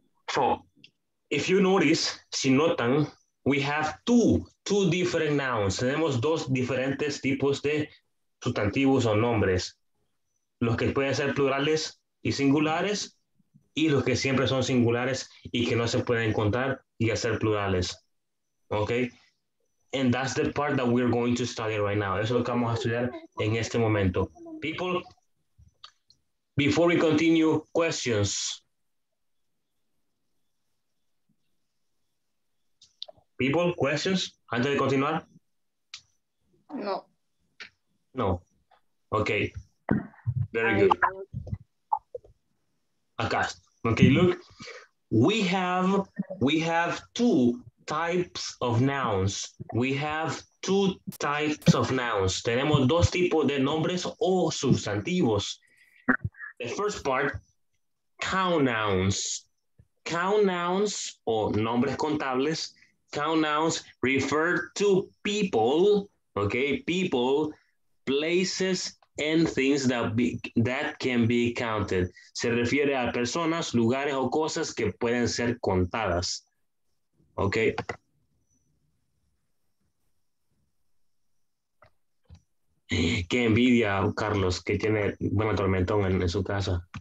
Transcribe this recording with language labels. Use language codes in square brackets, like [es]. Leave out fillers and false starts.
[en] So, if you notice, [es] si notan, [en] we have two different nouns. [es] Tenemos dos diferentes tipos de sustantivos o nombres. Los que pueden ser plurales y singulares, y los que siempre son singulares y que no se pueden contar y hacer plurales. [en] Okay. And that's the part that we're going to study right now. [es] Eso es lo que vamos a estudiar en este momento. [en] People, before we continue, questions. People, questions? [es] Antes de continuar? No. [en] No. Okay. Very good. Acá. Okay, look. We have two types of nouns. We have two types of nouns. [es] Tenemos dos tipos de nombres o sustantivos. [en] The first part, count nouns. Count nouns [es] o nombres contables. [en] Count nouns refer to people, okay? People, places, and things that can be counted. [es] Se refiere a personas, lugares o cosas que pueden ser contadas. Okay. Qué envidia, Carlos, que tiene buen tormentón en su casa.